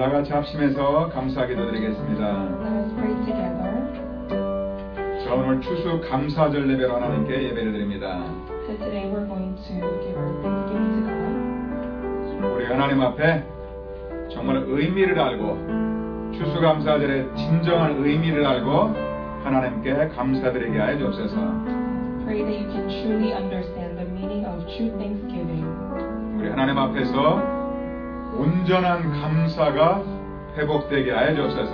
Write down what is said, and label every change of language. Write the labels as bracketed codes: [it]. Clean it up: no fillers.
[ko] 합심해서 감사 기도드리겠습니다. [en] Let's pray together. [ko] 저 오늘 추수 감사절 예배로 하나님께 예배를 드립니다. [en] So today we're going to give thanksgiving to God. [ko] 우리 하나님 앞에 정말 의미를 알고 추수 감사절의 진정한 의미를 알고 하나님께 감사드리게 하여 주옵소서. [en] Pray that you can truly understand the meaning of true thanksgiving. [ko] 우리 하나님 앞에서 온전한 감사가 회복되게 하여 주옵소서.